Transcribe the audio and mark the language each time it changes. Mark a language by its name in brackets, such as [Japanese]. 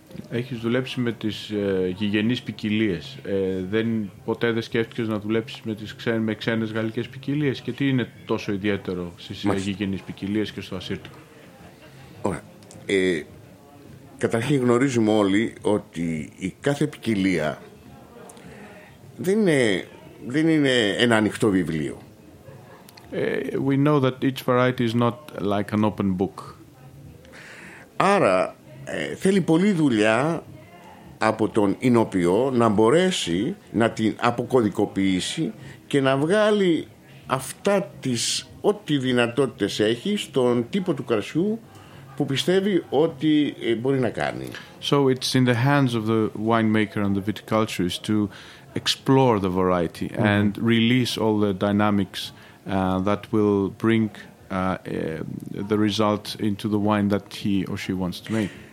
[Greek] Έχεις δουλέψει με τις γηγενείς ποικιλίες. Δεν ποτέ δεν σκέφτηκες να δουλέψεις με ξένες γαλλικές ποικιλίες, και τι είναι τόσο ιδιαίτερο στις γηγενείς ποικιλίες και στο Ασύρτικο? Ωραία. Καταρχήν γνωρίζουμε όλοι ότι η κάθε ποικιλία δεν είναι ένα ανοιχτό βιβλίο. [English] We know that each variety is not like an open book. [Greek] Άρα θέλει πολλή δουλειά από τον εινοποιό να μπορέσει να την αποκωδικοποιήσει και να βγάλει αυτά τις ό,τι δυνατότητες έχει στον τύπο του κρασιού που πιστεύει ότι μπορεί να κάνει. [English] So it's in the hands of the winemaker and the viticulturist to explore the variety and release all the dynamics that will bring the result into the wine that he or she wants to make.